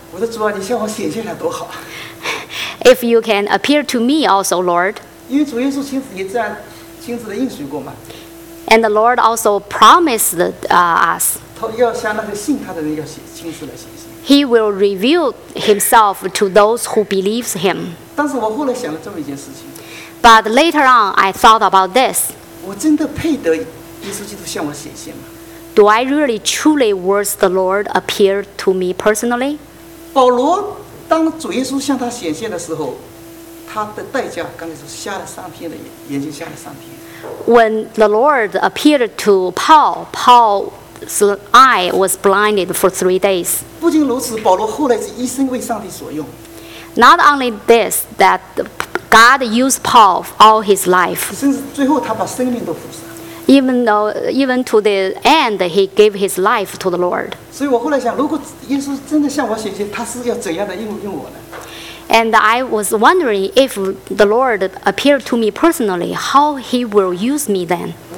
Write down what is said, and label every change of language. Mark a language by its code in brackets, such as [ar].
[zh] 我说主啊，你向我显现了多好。 [en] If you can appear to me also, Lord. [zh] 因为主耶稣亲自也这样亲自的应许过嘛。 [en] And the Lord also promised us. [zh] 他要向那个信他的人要亲自来显现。 [en] He will reveal himself to those who believes him. [zh] 但是我后来想了这么一件事情。 [en] But later on, I thought about this. [zh] 我真的配得耶稣基督向我显现吗？ [en] Do I really truly worth the Lord appear to me personally? [zh] 保罗当主耶稣向他显现的时候，他的代价刚才说瞎了三天的眼睛瞎了三天。 [en] When the Lord appeared to Paul, Paul's eye was blinded for 3 days. [zh] 不仅如此，保罗后来是一生为上帝所用。 [en] Not only this, that God used Paul all his life. [zh] 甚至最后他把生命都付上。 [en] Even to the end, he gave his life to the Lord. [zh] 所以我后来想，如果耶稣真的向我显现，他是要怎样的用我呢？ [en] And I was wondering if the Lord appeared to me personally, how he will use me then.